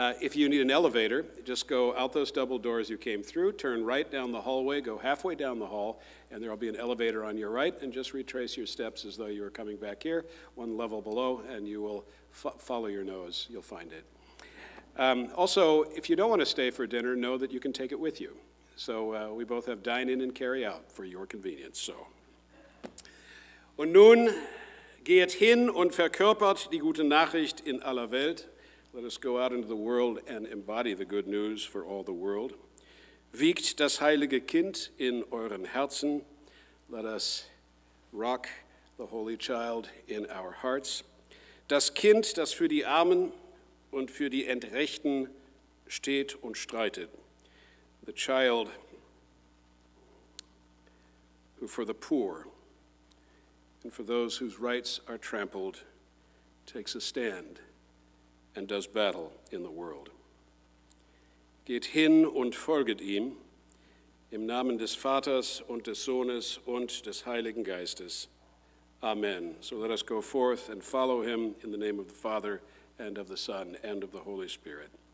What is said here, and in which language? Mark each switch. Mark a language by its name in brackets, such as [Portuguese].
[English] If you need an elevator, just go out those double doors you came through, turn right down the hallway, go halfway down the hall, and there will be an elevator on your right, and just retrace your steps as though you were coming back here, one level below, and you will follow your nose. You'll find it. Also, if you don't want to stay for dinner, know that you can take it with you. So we both have dine-in and carry-out for your convenience. So. [German] Und nun geht hin und verkörpert die gute Nachricht in aller Welt. [English] Let us go out into the world and embody the good news for all the world. [German] Wiegt das heilige Kind in euren Herzen. [English] Let us rock the holy child in our hearts. [German] Das Kind, das für die Armen und für die Entrechten steht und streitet. [English] The child who for the poor and for those whose rights are trampled takes a stand and does battle in the world. [German] Geht hin und folget ihm im Namen des Vaters und des Sohnes und des Heiligen Geistes. Amen. [English] So let us go forth and follow him in the name of the Father and of the Son and of the Holy Spirit.